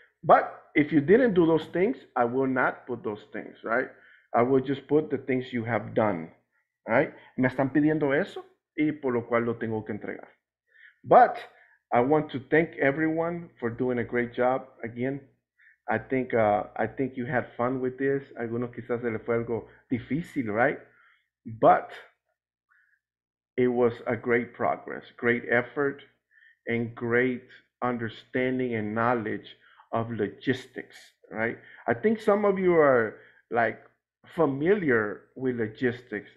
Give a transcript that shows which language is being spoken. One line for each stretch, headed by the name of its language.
English: But if you didn't do those things, I will not put those things, right? I will just put the things you have done, right?
Spanish: Me están pidiendo eso, y por lo cual lo tengo que entregar.
English: But I want to thank everyone for doing a great job. Again, I think you had fun with this.
Spanish: Algunos quizás se les fue algo difícil, right?
English: But it was a great progress, great effort, and great understanding and knowledge of logistics, right? I think some of you are like familiar with logistics.